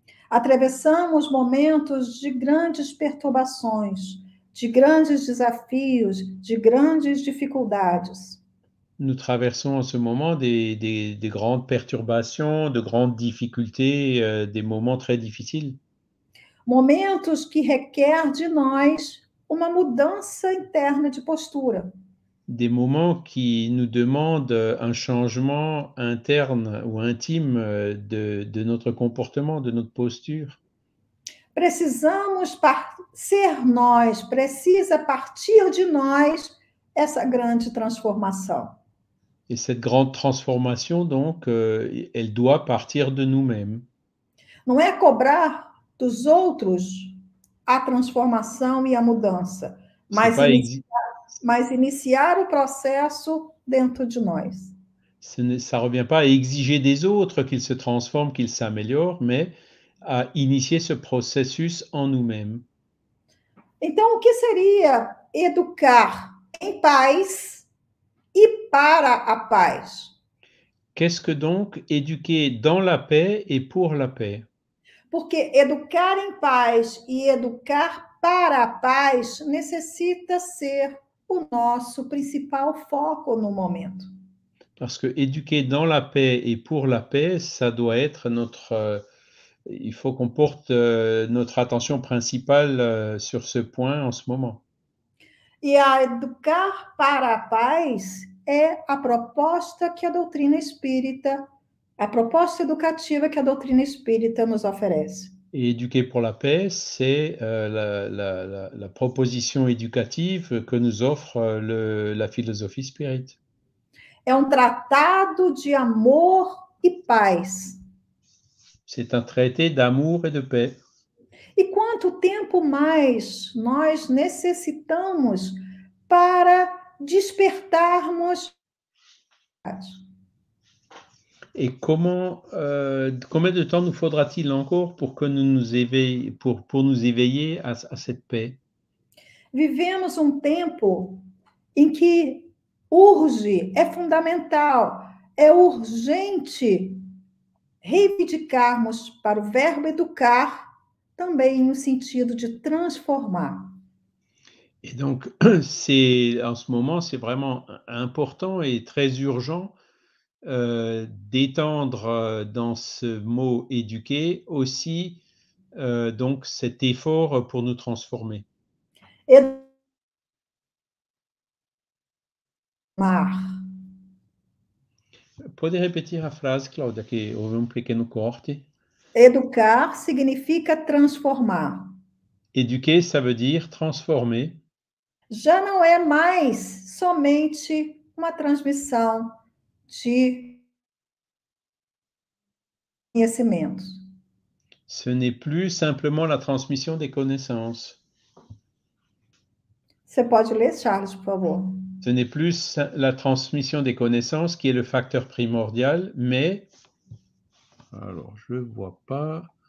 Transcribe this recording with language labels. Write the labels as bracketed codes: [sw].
[pt] Atravessamos momentos de grandes perturbações, de grandes desafios, de grandes dificuldades. [fr] Nous traversons en ce moment des grandes perturbations, de grandes difficultés, des moments très difficiles. [pt] Momentos que requer de nós uma mudança interna de postura. [fr] Des moments qui nous demandent un changement interne ou intime de notre comportement, de notre posture. [pt] Precisamos ser nós, precisa partir de nós essa grande transformação. [fr] Et cette grande transformation, donc, elle doit partir de nous-mêmes. [pt] Não é cobrar dos outros a transformação e a mudança, [fr] C'est pas exi... [pt] mas iniciar o processo dentro de nós. [fr] Ce ne, ça revient pas à exiger des autres qu'ils se transforment, qu'ils s'améliorent, mais à initier ce processus en nous-mêmes. [pt] Então, o que seria educar em paz para a paz. [fr] Qu'est-ce que donc éduquer dans la paix et pour la paix? [pt] Porque educar em paz e educar para a paz necessita ser o nosso principal foco no momento. [fr] Parce que éduquer dans la paix et pour la paix, ça doit être notre. Il faut qu'on porte notre attention principale sur ce point en ce moment. [pt] E a educar para a paz é a proposta que a doutrina espírita, a proposta educativa que a doutrina espírita nos oferece. [fr] Et éduquer pour la paix, c'est la proposition éducative que nous offre la philosophie spirit. [pt] É um tratado de amor e paz. [fr] C'est un traité d'amour et de paix. [pt] E quanto tempo mais nós necessitamos para despertarmos? [fr] Et combien de temps nous faudra-t-il encore pour que nous éveiller à cette paix? [pt] Vivemos tempo em que urge, é fundamental, é urgente reivindicarmos para o verbo educar. Também no sentido de transformar. [fr] Et donc, en ce moment, c'est vraiment important et très urgent d'étendre dans ce mot éduquer aussi donc cet effort pour nous transformer. Pouvez répéter la phrase, [pt] Claudia, que houve un pequeno corte? Educar significa transformar. [fr] Éduquer, ça veut dire transformer. [pt] Já não é mais somente uma transmissão de conhecimentos. [fr] Ce n'est plus simplement la transmission des connaissances. [pt] Você pode ler, Charles, por favor. [fr] Ce n'est plus la transmission des connaissances qui est le facteur primordial, mais... Alors, je ne vois pas.